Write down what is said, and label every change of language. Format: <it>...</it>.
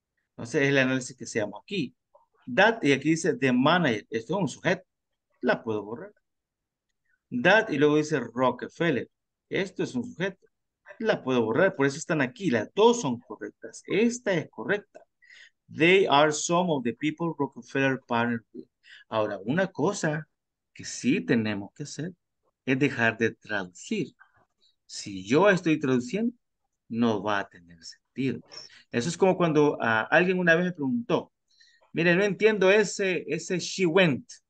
<es>Entonces es el análisis que se llama aquí. That, y aquí dice</es> <en>the manager,</en> <es>esto es un sujeto, la puedo borrar. That, y luego dice Rockefeller, esto es un sujeto, la puedo borrar. Por eso están aquí, las dos son correctas. Esta es correcta.</es> <en>They are some of the people Rockefeller partnered with.</en> <es>Ahora, una cosa que sí tenemos que hacer es dejar de traducir. Si yo estoy traduciendo, no va a tener sentido. Eso es como cuando alguien una vez me preguntó, mire, no entiendo ese</es> <en>she went.</en>